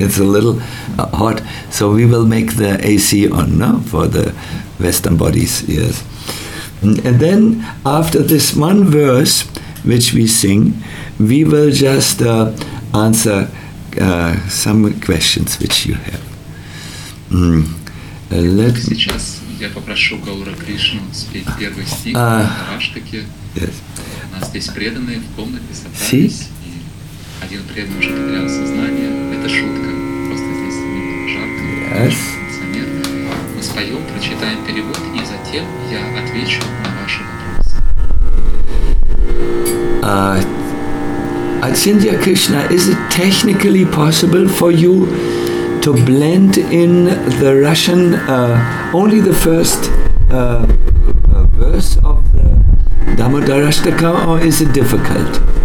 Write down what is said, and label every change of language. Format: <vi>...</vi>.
<en>It's a little hot, so we will make the AC on, no? For the Western bodies. Yes, and then after this one verse which we sing, we will just answer some questions which you have. Let me.</en> <ru>Я попрошу Гаура Кришну спеть первый стих на Раштаке.</ru> <en>Yes.</en> <ru>У нас здесь преданные в комнате собрались. И один преданный уже потерял сознание. Это шутка. Просто здесь немного жарко.</ru> <en>Yes.</en> <ru>Нет. Мы споем, прочитаем перевод, и затем я отвечу на ваши вопросы.</ru> <en>Ачиндья Кришна, is it technically possible for you to blend in the Russian, only the first verse of the Damodarashtakam, or is it difficult?</en>